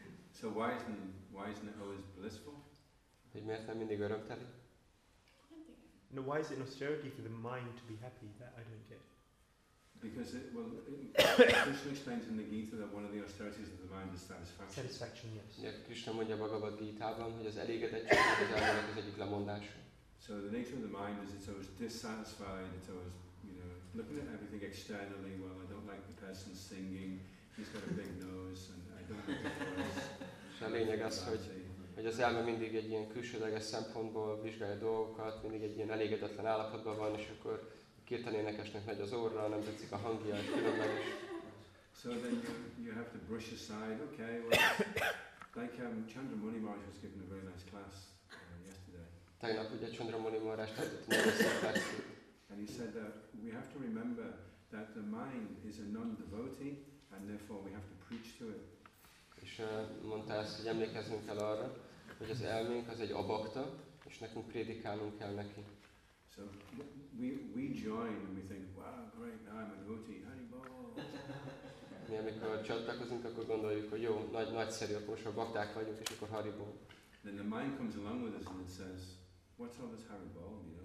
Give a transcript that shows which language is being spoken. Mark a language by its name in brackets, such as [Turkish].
[English] So why isn't it always blissful? No, why is it an austerity for the mind to be happy? That I don't get. Because Krishna explains in the Gita that one of the austerities of the mind is satisfaction. Satisfaction, yes. [Hungarian] Yeah, Krishna mondja Bhagavad Gita-ban, hogy az elégedettség az embernek az egyik lemondása. [English] So the nature of the mind is it's always dissatisfied, it's always, looking at everything externally. Well, I don't like the person singing. He's got a big nose, and I don't like the voice. [Hungarian] A lényeg az, hogy az elme mindig egy ilyen külsődleges szempontból vizsgálja dolgokat, mindig egy ilyen elégedetlen állapotban van, és akkor a kirtan énekesnek megy az orra, nem tetszik a hangja, különben is. [English] So then you have to brush aside. Okay, well, Chandramouli Maharaj was giving a very nice class yesterday. [Hungarian] Tegnap ugye Chandramouli Maharaj tartott egy nagyon szép klasszit. [English] And he said that we have to remember that the mind is a non-devotee, and therefore we have to preach to it. [Hungarian] És mondta ezt, hogy emlékeznünk kell arra, hogy az elménk az egy abakta, és nekünk prédikálnunk kell neki. [English] So we join and we think, wow, great, now I'm a devotee, Haribol. [Hungarian] Mi amikor csatlakozunk, akkor gondoljuk, hogy jó, nagyszerű, akkor most a bakták vagyunk, és akkor Haribol. [English] Then the mind comes along with us and it says, what's all this Haribol?